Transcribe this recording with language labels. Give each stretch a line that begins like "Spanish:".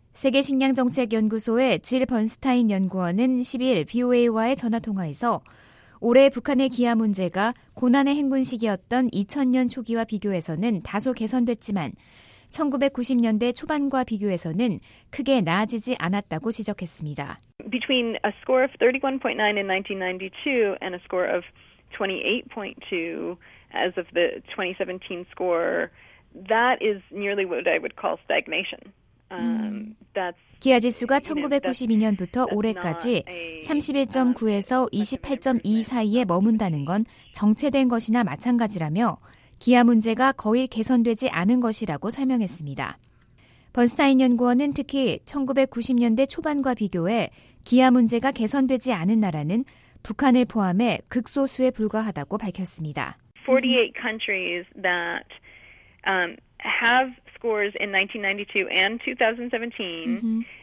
Korean: 세계식량정책연구소의 질 번스타인 연구원은 12일 VOA와의 전화통화에서 올해 북한의 기아 문제가 고난의 행군 시기였던 2000년 초기와 비교해서는 다소 개선됐지만 1990년대 초반과 비교해서는 크게 나아지지 않았다고 지적했습니다.
English: Between a score of 31.9 in 1992 and a score of 28.2 as of the 2017 score, that is nearly what I would call stagnation.
Korean: 기아 지수가 1992년부터 올해까지 31.9에서 28.2 사이에 머문다는 건 정체된 것이나 마찬가지라며 기아 문제가 거의 개선되지 않은 것이라고 설명했습니다. 번스타인 연구원은 특히 1990년대 초반과 비교해 기아 문제가 개선되지 않은 나라는 북한을 포함해 극소수에 불과하다고 밝혔습니다.
English: 48 countries that have scores in 1992 and 2017 mm-hmm.